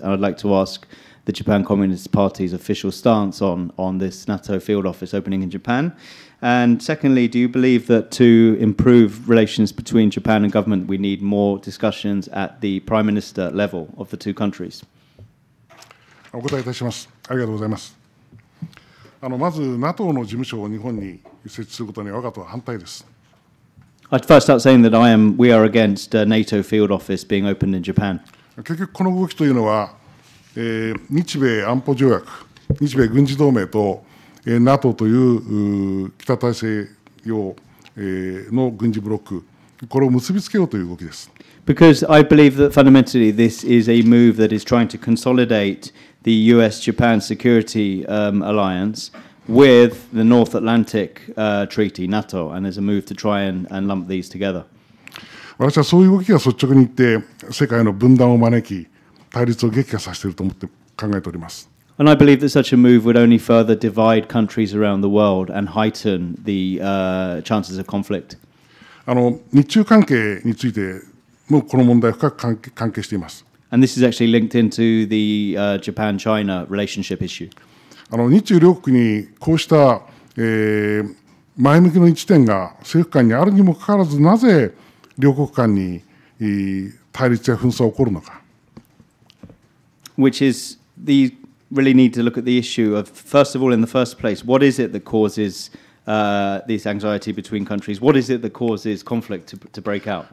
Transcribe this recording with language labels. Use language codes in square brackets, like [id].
[en] And I'd like to ask the Japan Communist Party's official stance on this NATO field office opening in Japan. And secondly, do you believe that to improve relations between Japan and government, we need more discussions at the prime minister level of the two countries? [ja] お答えいたします。ありがとうございます。まず NATO の事務所を日本に設置することに我が党は反対です。 [en] I'd first start saying that we are against a NATO field office being opened in Japan. [ja] 結局この動きというのは、日米安保条約、日米軍事同盟と、NATO という北大西洋、の軍事ブロック、これを結びつけようという動きです。 [en] Because I believe that fundamentally this is a move that is trying to consolidate the US-Japan security alliance with the North Atlantic Treaty, NATO, and there's a move to try and lump these together. [ja] 私はそういう動きが率直に言って世界の分断を招き対立を激化させていると思って考えております。 [en] And I believe that such a move would only further divide countries around the world and heighten the chances of conflict. [ja] 日中関係についてもこの問題深く関係しています。 [en] And this is actually linked into the Japan-China relationship issue. [ja] 日中両国にこうした、前向きの一点が政府間にあるにもかかわらず、なぜ両国間に対立や紛争が起こるのか。 [en] Which is the really need to look at the issue of first of all in the first place, what is it that causes this anxiety between countries? What is it that causes conflict to break out?